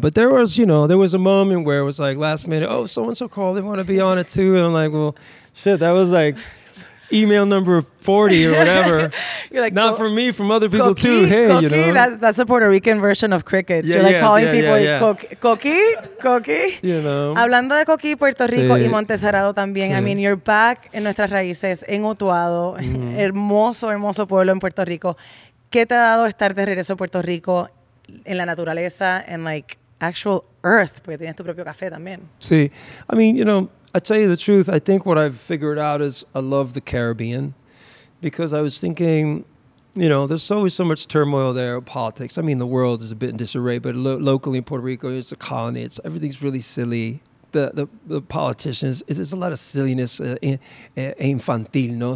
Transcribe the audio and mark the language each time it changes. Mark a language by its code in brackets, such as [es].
[en] But there was, you know, there was a moment where it was like last minute, oh, so-and-so called, they want to be on it too. And I'm like, well, shit, that was like, email number 40 or whatever. You're like, not for me, from other people coqui, too. Hey, coqui, you know, that's a Puerto Rican version of crickets. Yeah, you're like, yeah, calling, yeah, people, yeah, yeah. Coqui, coqui. You know. [es] Hablando de coqui, Puerto Rico, sí, y Montesarado también. Sí. [en] I mean, you're back [es] en nuestras raíces, en Utuado, hermoso, hermoso pueblo en Puerto Rico. ¿Qué te ha dado estar de regreso a Puerto Rico en la naturaleza, en [en] like actual earth? [es] Porque tienes tu propio café también. Sí. [en] I mean, you know, I tell you the truth, I think what I've figured out is I love the Caribbean, because I was thinking, you know, there's always so much turmoil there, politics. I mean, the world is a bit in disarray, but locally in Puerto Rico, it's a colony. It's, everything's really silly. The politicians, it's a lot of silliness, [es] infantil, no?